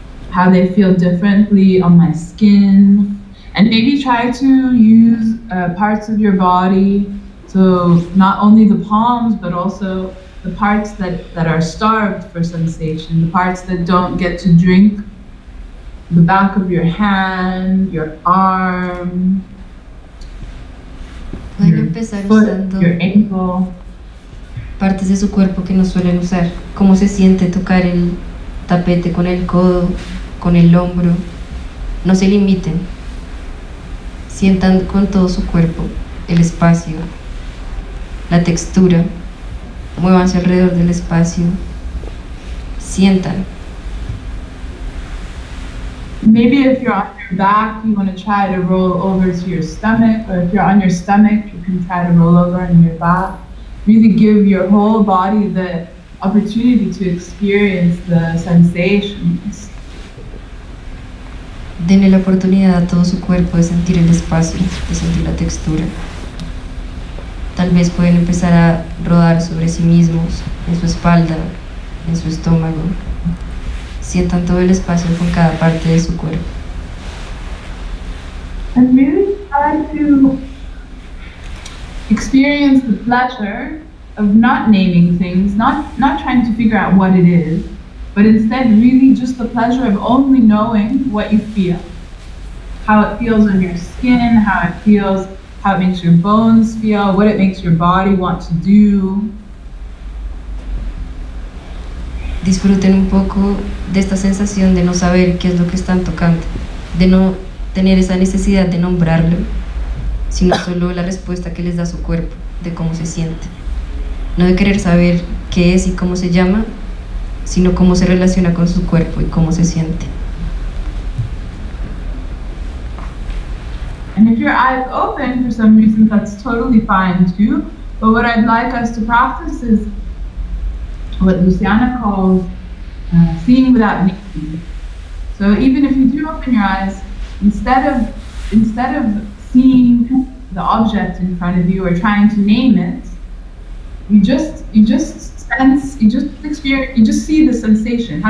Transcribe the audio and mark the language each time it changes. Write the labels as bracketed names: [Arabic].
[English] how they feel differently on my skin, and maybe try to use parts of your body, so not only the palms, but also the parts that are starved for sensation, the parts that don't get to drink, the back of your hand, your arm, your ankle. [Spanish] Partes de su cuerpo que no suelen usar. ¿Cómo se siente tocar el tapete con el codo, con el hombro? No se limiten. Sientan con todo su cuerpo el espacio, la textura. Muévanse alrededor del espacio. Sientan. [English] Maybe if you're on your back, you want to try to roll over to your stomach, or if you're on your stomach, you can try to roll over on your back. Really give your whole body the opportunity to experience the sensations. [Spanish] Denle la oportunidad a todo su cuerpo de sentir el espacio, de sentir la textura. Tal vez pueden empezar a rodar sobre sí mismos, en su espalda, en su estómago. Sientan todo el espacio con cada parte de su cuerpo. [English] And really try to experience the pleasure of not naming things, not trying to figure out what it is, but instead really just the pleasure of only knowing what you feel. How it feels on your skin, how it feels, how it makes your bones feel, what it makes your body want to do. [Spanish] Disfruten un poco de esta sensación de no saber qué es lo que están tocando, de no tener esa necesidad de nombrarlo, sino solo la respuesta que les da su cuerpo, de cómo se siente. No de querer saber qué es y cómo se llama, sino cómo se relaciona con su cuerpo y cómo se siente. [English] And if your eyes open for some reason, that's totally fine too. But what I'd like us to practice is what Luciana calls seeing without making. So even if you do open your eyes, instead of seeing the object in front of you or trying to name it, you just see the sensation.